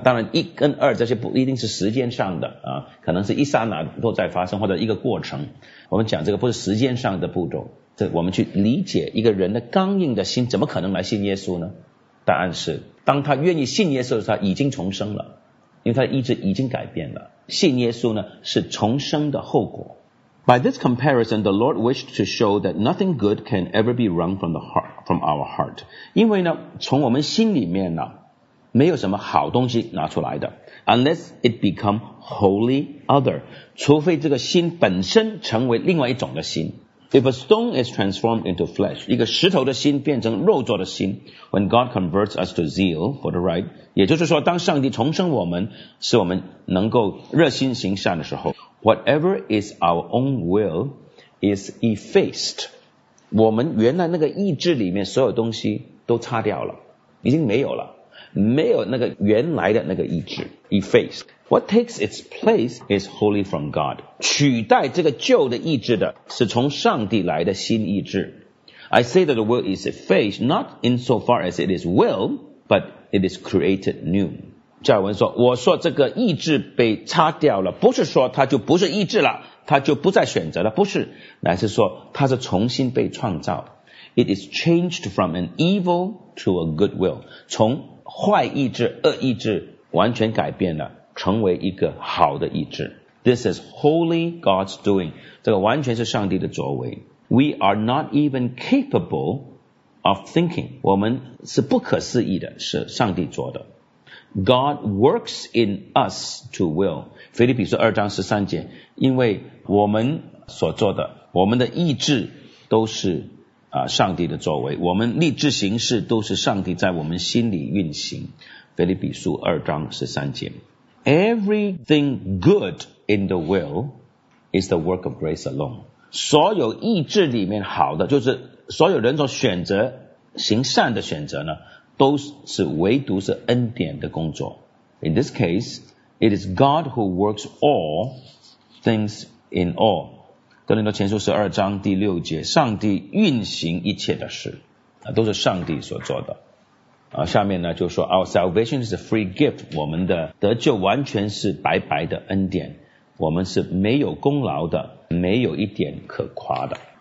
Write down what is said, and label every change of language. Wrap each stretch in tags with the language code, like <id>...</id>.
<zh>当然一跟二这些不一定是时间上的啊，可能是一刹那都在发生，或者一个过程，我们讲这个不是时间上的步骤，这我们去理解一个人的刚硬的心怎么可能来信耶稣呢？答案是当他愿意信耶稣的时候，他已经重生了，因为他的意志已经改变了，信耶稣呢是重生的后果。</zh> <en>By this comparison, the Lord wished to show that nothing good can ever be wrung from the heart, from our heart.</en> <zh>因为呢从我们心里面呢没有什么好东西拿出来的，</zh> <en>unless it become wholly other，</en> <zh>除非这个心本身成为另外一种的心。</zh> <en>If a stone is transformed into flesh,</en> <zh>一个石头的心变成肉做的心，</zh> <en>when God converts us to zeal for the right,</en> <zh>也就是说当上帝重生我们，使我们能够热心行善的时候，</zh> <en>whatever is our own will is effaced.</en> <zh>我们原来那个意志里面所有东西都擦掉了，已经没有了，没有那个原来的那个意志， effaced.</zh> <en>What takes its place is wholly from God.</en> <zh>取代这个旧的意志的是从上帝来的新意志。</zh> <en>I say that the will is effaced, not in so far as it is will, but it is created new.</en> <zh>加尔文说，我说这个意志被擦掉了，不是说它就不是意志了，它就不再选择了，不是，乃是说它是重新被创造。</zh> <en>It is changed from an evil to a good will.</en> <zh>从坏意志、恶意志完全改变了。成为一个好的意志。</zh> <en>This is wholly God's doing.</en> <zh>这个完全是上帝的作为。</zh> <en>We are not even capable of thinking.</en> <zh>我们是不可思议的，是上帝做的。</zh> <en>God works in us to will.</en> <zh>腓立比书二章十三节，因为我们所做的，我们的意志都是上帝的作为，我们立志行事都是上帝在我们心里运行。腓立比书二章十三节，</zh> <en>Everything good in the will is the work of grace alone.</en> <zh>所有意志里面好的，就是所有人所选择行善的选择呢，都是唯独是恩典的工作。</zh> <en>In this case, it is God who works all things in all.</en> <zh>哥林多前书十二章第六节，上帝运行一切的事，都是上帝所做的。下面呢就说</zh> <en>Our salvation is a free gift.</en> <zh>我们的得救完全是白白的恩典，我们是没有功劳的，没有一点可夸的。</zh>